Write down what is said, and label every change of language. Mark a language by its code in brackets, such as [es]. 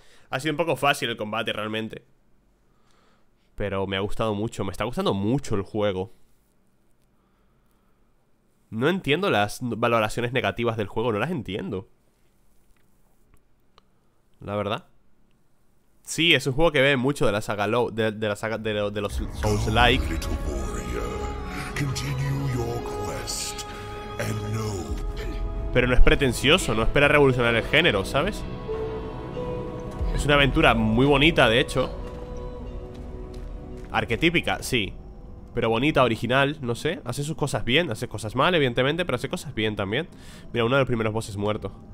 [es] Ha sido un poco fácil el combate, realmente. Pero me ha gustado mucho. Me está gustando mucho el juego. No entiendo las valoraciones negativas del juego. No las entiendo. La verdad. Sí, es un juego que ve mucho de la saga Low, de los Souls-like. [en] Little warrior, continue your quest and know. [es] Pero no es pretencioso, no espera revolucionar el género, ¿sabes? Es una aventura muy bonita, de hecho. Arquetípica, sí. pero bonita, original, no sé. Hace sus cosas bien, hace cosas mal, evidentemente, pero hace cosas bien también. Mira, uno de los primeros bosses muerto.